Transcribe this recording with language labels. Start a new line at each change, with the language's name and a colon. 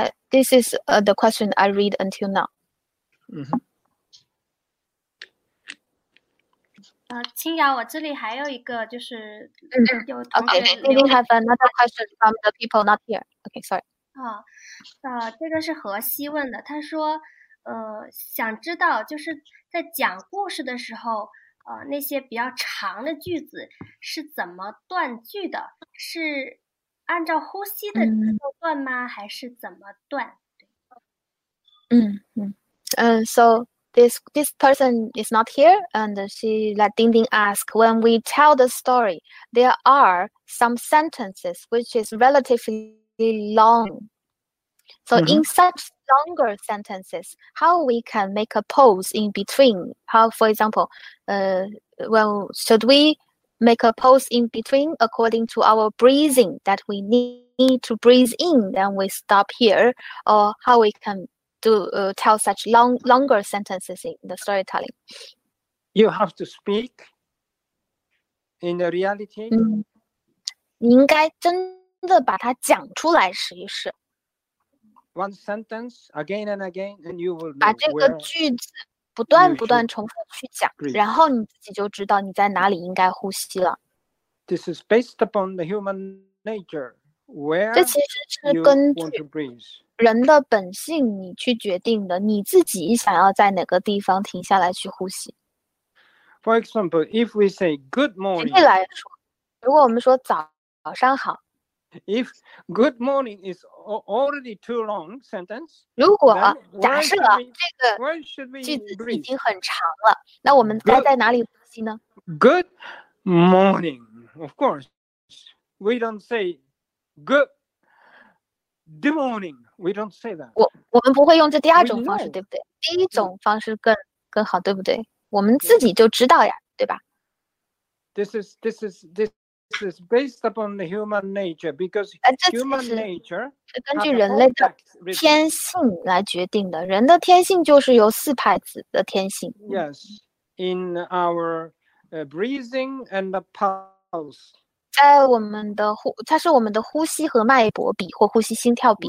English: This is the question I read until now.
Chinese: 青瑶，我这里还有一个就是有同学留言。
English: Okay, we have another question from the people not here. Okay, sorry.
Chinese: 这个是何西问的，他说想知道就是在讲故事的时候那些比较长的句子是怎么断句的，是按照呼吸的节奏断吗，还是怎么断？
English: So this person is not here, and she let Ding Ding ask, when we tell the story, there are some sentences which is relatively long. So in such longer sentences, how we can make a pause in between? How, for example, should we make a pause in between according to our breathing that we need to breathe in, then we stop here, or how we can tell such longer sentences in the storytelling? You have to speak in the reality.
Chinese: 你应该真的把它讲出来试一试。
English: One sentence again and again, and you will
Chinese: 把这个句子不断不断重复去讲，然后你自己就知道你在哪里应该呼吸了。
English: This is based upon the human nature. Where
Chinese: 这其实是根据人的本性，你去决定的，你自己想要在哪个地方停下来去呼吸。
English: For example, if we say good morning,
Chinese: 举例来说，如果我们说早上好。
English: If good morning is already too long sentence,
Chinese: 如果假设这个句子已经很长了，那我们该在哪里呼西呢?
English: Good morning. Of course, we don't say good morning. We don't say that.
Chinese: 我们不会用这第二种方式，对不对？第一种方式更好，对不对？我们自己就知道呀，对吧？ This is based upon the human nature because human nature 是根据人类的天性来决定的。人的天性就是由四派子的天性。
English: Yes, in our breathing and the pulse.
Chinese: 它是我们的呼吸和脉搏比或呼吸心跳比。